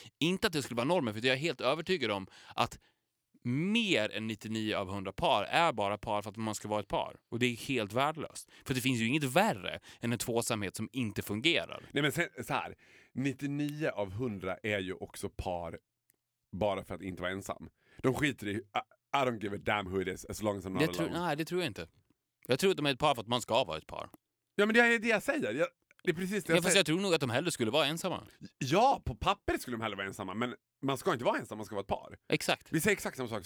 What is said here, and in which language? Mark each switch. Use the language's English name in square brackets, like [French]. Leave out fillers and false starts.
[Swedish] Inte att det skulle vara normen, för jag är helt övertygad om att mer än 99 av 100 par är bara par för att man ska vara ett par. Och det är helt värdelöst. För det finns ju inget värre än en tvåsamhet som inte fungerar. Nej, men sen, så här, 99 av 100 är ju också par bara för att inte vara ensam. De skiter i, [English] I don't give a damn who it is as long as I'm not alone. [Swedish] Nej, det tror jag inte. Jag tror att de är ett par för att man ska vara ett par. Ja, men det är det jag säger. Det är precis det jag säger. Jag tror nog att de hellre skulle vara ensamma. Ja, på pappret skulle de hellre vara ensamma. Men man ska inte vara ensam, man ska vara ett par. Exakt. Vi säger exakt samma sak.